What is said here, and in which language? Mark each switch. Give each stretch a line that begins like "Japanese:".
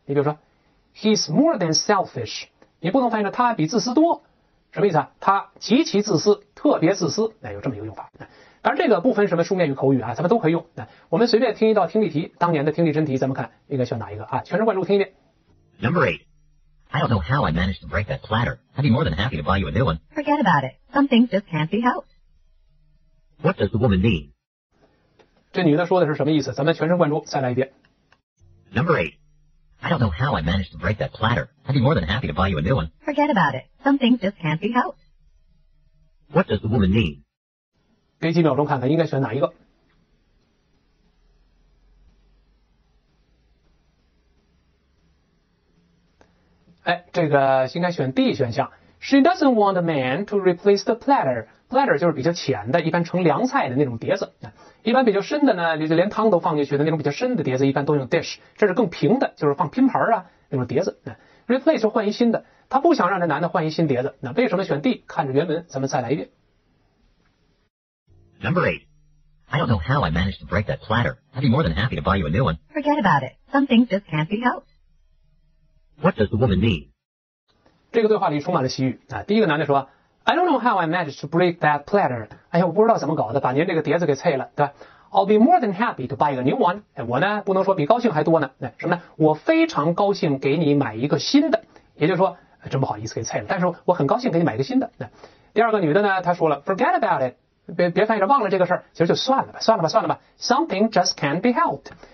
Chinese: 你比如说
English: he's more than selfish，
Chinese: 你不能翻译成他比自私多，什么意思啊？他极其自私，特别自私，有这么一个用法。当然这个不分什么书面与口语啊，咱们都可以用。我们随便听一道听力题，当年的听力真题，咱们看应该选哪一个啊？全神贯注听一遍。
English: Number eight. I don't know how I managed to break that platter. I'd be more than happy to buy you a new one. Forget about it. Some things just can't be helped. What does the woman mean?
Chinese: 这女的说的是什么意思？咱们全神贯注再来一遍。
English: Number eight. I don't know how I managed to break that platter. I'd be more than happy to buy you a new one. Forget about it. Some things just can't be helped. What does the woman mean?
Chinese: 给几秒钟看看应该选哪一个。哎，这个应该选 D 选项。
English: She doesn't want a man to replace the platter.
Chinese: Platter 就是比较浅的，一般盛凉菜的那种碟子。一般比较深的呢，就连汤都放进去的那种比较深的碟子，一般都用 dish。这是更平的，就是放拼盘啊那种碟子。 Replace 就换一新的，他不想让这男的换一新碟子。那为什么选 D？看着原文，咱们再来一遍。
English: Number eight. I don't know how I managed to break that platter. I'd be more than happy to buy you a new one. Forget about it. Some things just can't be helped. What does the woman mean?
Chinese: 这个对话里充满了喜语啊！第一个男的说
English: I don't know how I managed to break that platter，
Chinese: 哎呀，我不知道怎么搞的把您这个碟子给碎了，对吧？
English: I'll be more than happy to buy a new one，
Chinese: 哎，我呢不能说比高兴还多呢，哎，什么呢？我非常高兴给你买一个新的，也就是说，哎，真不好意思给碎了，但是我很高兴给你买一个新的，哎，第二个女的呢她说了
English: forget about it，
Chinese: 别翻译着忘了这个事儿，其实就算了吧，算了吧，算了吧，
English: something just can't be helped。